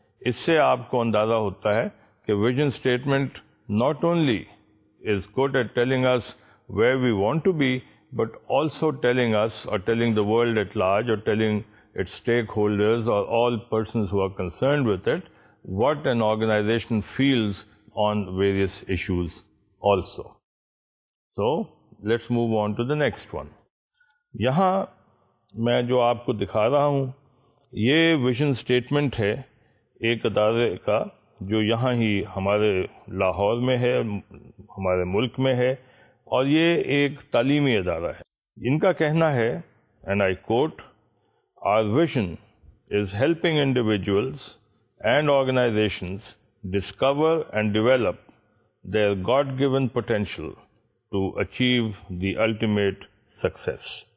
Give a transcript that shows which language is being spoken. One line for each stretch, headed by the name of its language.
Urdu: اس سے آپ کو اندازہ ہوتا ہے کہ
English: Vision statement not only is good at telling us where we want to be but also telling us اور telling the world at large اور telling it stakeholders اور all persons who are concerned with it what an organization feels on various issues also. So let's move on to the next one.
Urdu: یہاں میں جو آپ کو دکھا رہا ہوں یہ ویژن اسٹیٹمنٹ ہے ایک ادارے کا جو یہاں ہی ہمارے لاہور میں ہے, ہمارے ملک میں ہے, اور یہ ایک تعلیمی ادارہ ہے. ان کا کہنا ہے,
English: And I quote, our vision is helping individuals and organisations discover and develop their God given potential to achieve the ultimate success.